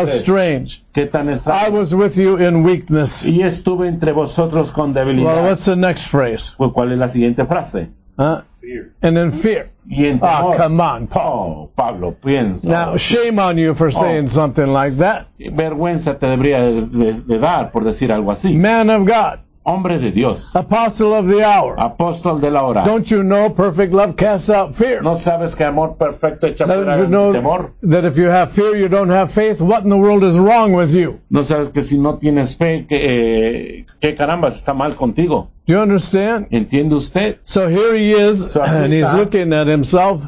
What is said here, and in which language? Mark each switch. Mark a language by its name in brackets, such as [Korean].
[English] How strange. [Spanish] Qué tan extraño. [English] I was with you in weakness. [Spanish] Y estuve entre vosotros con debilidad. [English] Well, what's the next phrase? [Spanish] Well, ¿cuál es la siguiente frase? [English] Fear. And in fear. [Spanish] Y en temor. [English] Ah, come on, Paul. [Spanish] Oh, Pablo, piensa. [English] Now, shame on you for saying something like that. [Spanish] Vergüenza te debería de dar por decir algo así. [English] Man of God. [Spanish] Hombre de Dios. [English] Apostle of the hour. [Spanish] Apóstol de la hora. [English] Don't you know perfect love casts out fear? [Spanish] ¿No sabes que amor perfecto echa fuera temor? [English] Don't you know that if you have fear, you don't have faith? What in the world is wrong with you? [Spanish] ¿No sabes que si no tienes fe, que caramba, está mal contigo? [English] Do you understand? [Spanish] ¿Entiende usted? [English] So here he is, and he's looking at himself,